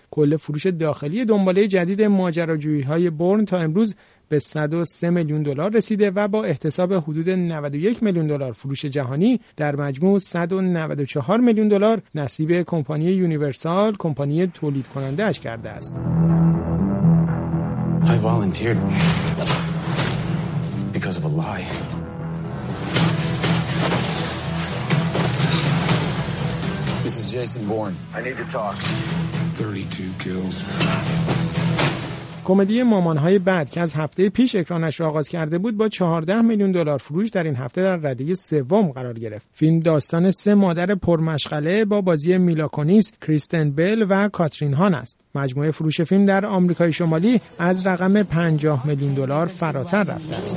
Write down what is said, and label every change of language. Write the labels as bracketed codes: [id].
[fa] کل فروش داخلی دنباله جدید ماجراجویی‌های بورن تا امروز به 103 میلیون دلار رسیده و با احتساب حدود 91 میلیون دلار فروش جهانی در مجموع 194 میلیون دلار نصیب کمپانی یونیورسال کمپانی تولید کننده اش کرده است. [en] I volunteered because of a lie. This is Jason Bourne. I need to talk. 32 kills. [fa] کمدی مامان‌های بد که از هفته پیش اکرانش را آغاز کرده بود با 14 میلیون دلار فروش در این هفته در رده سوم قرار گرفت. فیلم داستان سه مادر پرمشغله با بازی میلا کونیس، کریستن بیل و کاترین هان است. مجموعه فروش فیلم در آمریکای شمالی از رقم 50 میلیون دلار فراتر رفت.